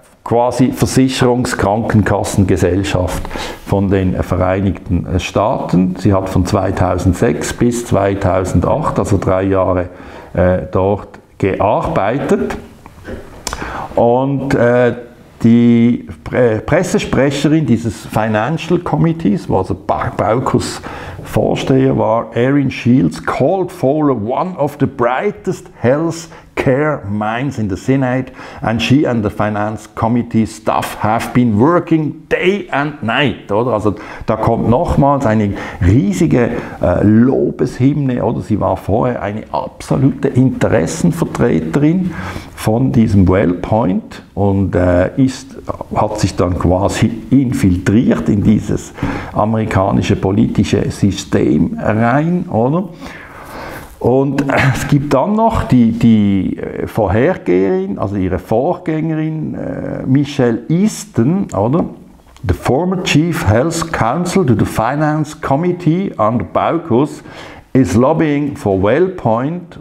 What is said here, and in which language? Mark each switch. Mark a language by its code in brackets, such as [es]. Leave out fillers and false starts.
[de] quasi Versicherungskrankenkassengesellschaft von den Vereinigten Staaten. Sie hat von 2006 bis 2008, also 3 Jahre, dort gearbeitet. Und die Pressesprecherin dieses Financial Committees, wo also Baucus Vorsteher war, [en] Erin Shields, called Fowler one of the brightest health care minds in the Senate, and she and the Finance Committee staff have been working day and night. [de] Oder? Also da kommt nochmals eine riesige Lobeshymne, oder sie war vorher eine absolute Interessenvertreterin von diesem Wellpoint und hat sich dann quasi infiltriert in dieses amerikanische politische System rein, oder? Und es gibt dann noch die Vorhergängerin, also ihre Vorgängerin, Michelle Easton, oder? [en] The former Chief Health Counsel to the Finance Committee under Baucus is lobbying for Wellpoint.